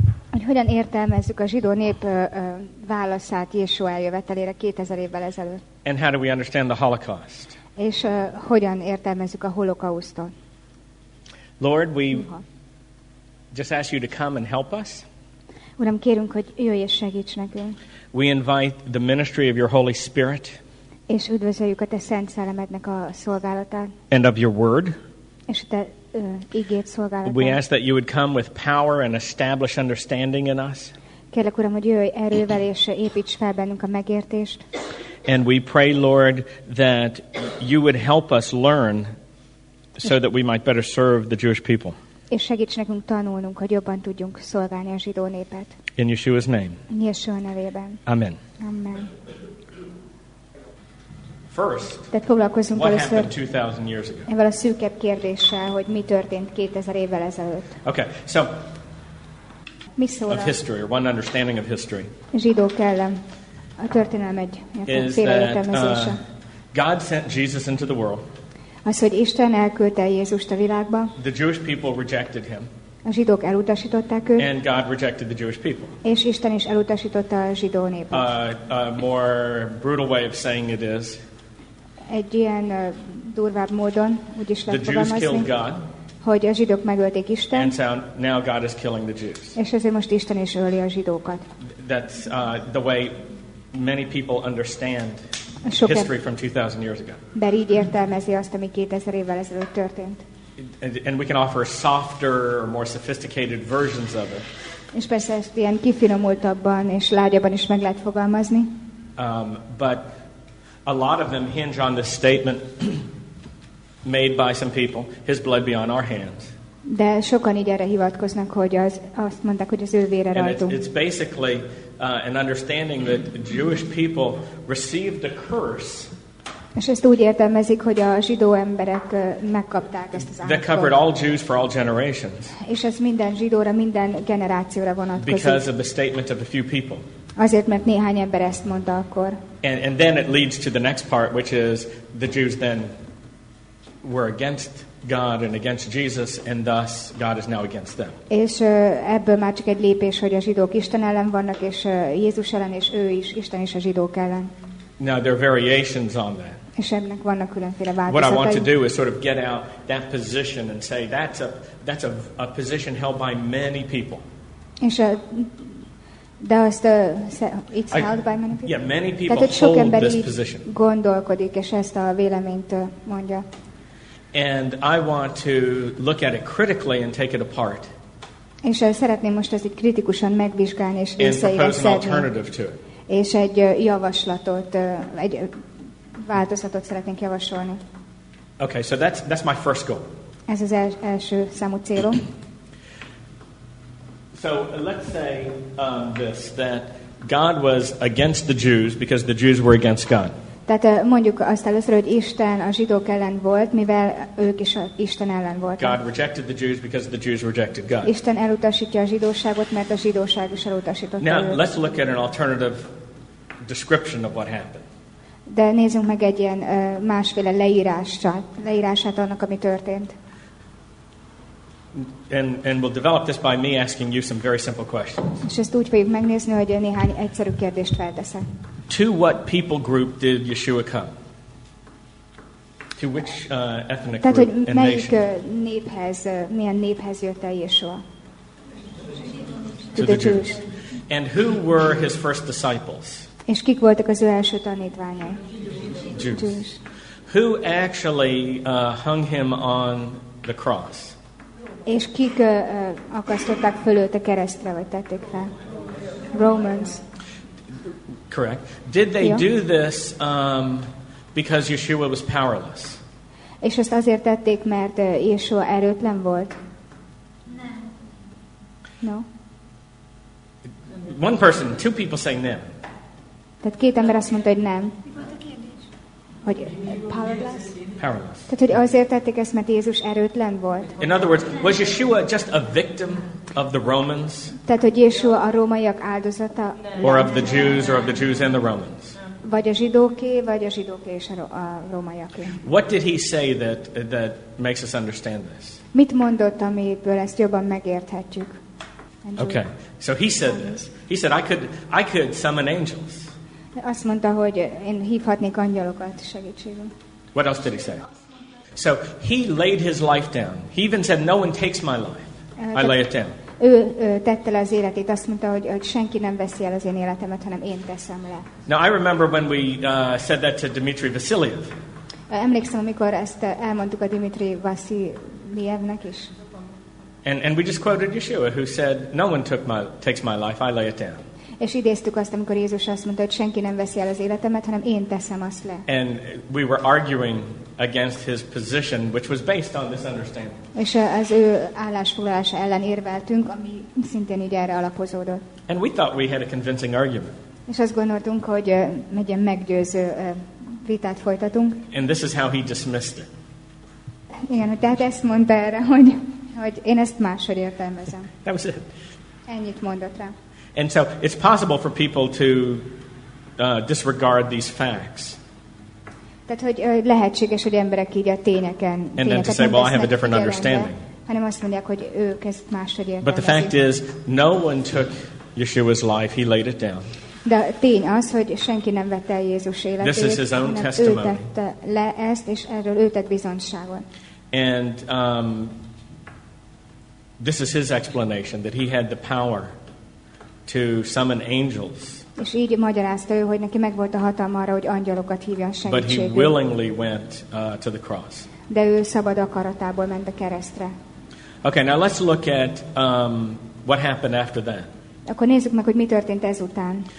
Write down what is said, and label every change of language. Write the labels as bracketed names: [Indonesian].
[Hungarian] hogy hogyan értelmezzük a zsidó nép válaszát Jézus eljövetelére 2000 évvel ezelőtt. [English] And how do we understand the Holocaust? [Hungarian] És hogyan értelmezzük a holokausztot? [English] Lord, we just ask you to come and help us. [Hungarian] Uram, kérünk, hogy jöjj és segíts nekünk. [English] We invite the ministry of your Holy Spirit. [Hungarian] És üdvözöljük a te Szent Szellemednek a szolgálatát. [English] And of your word. [Hungarian] És te ígéd szolgálatát. [English] We ask that you would come with power and establish understanding in us. [Hungarian] Kérlek, Uram, hogy jöjj erővel és építs fel bennünk a megértést. [English] And we pray, Lord, that you would help us learn so that we might better serve the Jewish people. [Hungarian] És segíts nekünk tanulnunk, hogy jobban tudjunk szolgálni a zsidó népet. [English] In Yeshua's name. [Hungarian] Yeshua nevében. [English] Amen. [Hungarian] Amen. [English] First, [Hungarian] tehát foglalkozunk először ezzel a szűkebb kérdéssel, hogy mi történt 2000 évvel ezelőtt. [English] Okay, so, [Hungarian] mi szól [English] of history, or one understanding of history, [Hungarian] zsidó kellem. A történelem egy félreértelmezése. [English] God sent Jesus into the world. [Hungarian] Az, hogy Isten elküldte Jézust a világba. [English] The Jewish people rejected him. [Hungarian] A zsidók elutasították őt. [English] And God rejected the Jewish people. [Hungarian] És Isten is elutasította a zsidó népet. [English] A more brutal way of saying it is. [Hungarian] Egy ilyen durvább módon, úgy is lehet fogalmazni. [English] The Jews killed God. [Hungarian] Hogy a zsidók megölték Isten. [English] And so now God is killing the Jews. [Hungarian] És ezért most Isten is öli a zsidókat. [English] That's the way many people understand [Hungarian] sok [English] history from 2000 years ago. [Hungarian] Bár így értelmezi azt, ami 2000 évvel ezelőtt történt. [English] And we can offer softer or more sophisticated versions of it. [Hungarian] És persze ezt ilyen kifinomultabban és lágyabban is meg lehet fogalmazni. [English] But a lot of them hinge on this statement made by some people, his blood be on our hands. [Hungarian] De sokan így erre hivatkoznak, hogy azt mondták, hogy az ő vére rajtunk. [English] It's basically an understanding that Jewish people received a curse. [Hungarian] És ezt úgy értelmezik, hogy a zsidó emberek megkapták ezt az áldást. [English] That covered all Jews for all generations. [Hungarian] És ez minden zsidóra, minden generációra vonatkozik. [English] Because of the statement of a few people. [Hungarian] Azért, mert néhány ember ezt mondta akkor. [English] And then it leads to the next part, which is the Jews then were against God and against Jesus, and thus God is now against them. [Hungarian] És ebből már csak egy lépés, hogy a zsidók Isten ellen vannak, és Jézus ellen, és ő is, Isten is a zsidók ellen. [English] Now there are variations on that. [Hungarian] És ennek vannak különféle változatai. [English] What I want to do is sort of get out that position and say that's a position held by many people. [Hungarian] És de azt [English] it's held by many people. Yeah, many people hold this position. [Hungarian] Tehát sok ember így gondolkodik, és ezt a véleményt mondja. [English] And I want to look at it critically and take it apart. [Hungarian] És szeretném most ezt így kritikusan megvizsgálni és összeírni. És egy javaslatot, egy változatot szeretnénk javasolni. [English] Okay, so that's my first goal. [Hungarian] Ez az első számú célom. [English] So let's say this, that God was against the Jews because the Jews were against God. [Hungarian] Tehát mondjuk azt először, hogy Isten a zsidók ellen volt, mivel ők is Isten ellen voltak. [English] God rejected the Jews because the Jews rejected God. [Hungarian] Isten elutasítja a zsidóságot, mert a zsidóság is elutasította őt. [English] Now, let's look at an alternative description of what happened. [Hungarian] De nézzünk meg egy ilyen másféle leírását annak, ami történt. [English] And we'll develop this by me asking you some very simple questions. [Hungarian] És ezt úgy fogjuk megnézni, hogy néhány egyszerű kérdést felteszek. [English] To what people group did Yeshua come? To which ethnic [Hungarian] tehát, [English] group and nation? [Hungarian] Tehát, hogy melyik néphez, milyen néphez jött el Yeshua? [English] To the Jews. And who were his first disciples? [Hungarian] És kik voltak az ő első tanítványai? [English] Jews. Who actually hung him on the cross? [Hungarian] És kik akasztották föl őt a keresztre, vagy tették fel? [English] Romans. Correct. Did they do this because Yeshua was powerless? [Hungarian] És ezt azért tették, mert Yeshua erőtlen volt? Nem. [English] No. One person, two people saying [Hungarian] nem. Tehát két ember azt mondta, hogy nem. Hogy powerless? [English] Powerless. [Hungarian] Tehát, hogy azért tették ezt, mert Jézus erőtlen volt. [English] In other words, was Yeshua just a victim of the Romans? [Hungarian] Tehát, hogy Yeshua a rómaiak áldozata? [English] Or of the Jews, or of the Jews and the Romans? [Hungarian] Vagy a zsidóké, vagy a zsidóké és a rómaiaké. [English] What did he say that makes us understand this? [Hungarian] Mit mondott, amiből ezt jobban megérthetjük? [English] Okay. So he said this. He said, I could summon angels. [Hungarian] Azt mondta, hogy én hívhatnék angyalokat segítségül. [English] What else did he say? So he laid his life down. He even said, no one takes my life. I lay it down. [Hungarian] Ő tette le az életét, azt mondta, hogy senki nem veszi el az én életemet, hanem én teszem le. [English] Now I remember when we said that to Dmitri Vasiliev. [Hungarian] Emlékszem, amikor ezt elmondtuk a Dmitri Vasiljevnek is. [English] And we just quoted Yeshua, who said, no one takes my life, I lay it down. [Hungarian] És idéztük azt, amikor Jézus azt mondta, hogy senki nem veszi el az életemet, hanem én teszem azt le. [English] And we were arguing against his position, which was based on this understanding. [Hungarian] És az ő állásfoglalása ellen érveltünk, ami szintén így erre alapozódott. [English] And we thought we had a convincing argument. [Hungarian] És azt gondoltunk, hogy egy ilyen meggyőző vitát folytatunk. [English] And this is how he dismissed it. [Hungarian] Igen, tehát ezt mondta erre, hogy én ezt máshogy értelmezem. [English] That was it. [Hungarian] Ennyit mondott rá. [English] And so it's possible for people to disregard these facts. [Hungarian] Tehát, hogy lehetséges, hogy emberek így a tényeken. [English] And then to say, well, I have a different understanding. [Hungarian] Hanem azt mondják, hogy ők ezt máshogy értelmezik. [English] But the fact is, no one took Yeshua's life. He laid it down. [Hungarian] De tény az, hogy senki nem vette el Jézus életét. [English] This is his own testimony. [Hungarian] Ő tette le ezt, és erről ő tett bizonyságot. [English] And this is his explanation, that he had the power to summon angels. [Hungarian] És így magyarázta ő, hogy neki megvolt a hatalma arra, hogy angyalokat hívjon segítségül. [English] But he willingly went to the cross. [Hungarian] De ő szabad akaratából ment a keresztre. [English] Okay, now let's look at what happened after that. [Hungarian] Akkor nézzük meg, hogy mi történt ezután.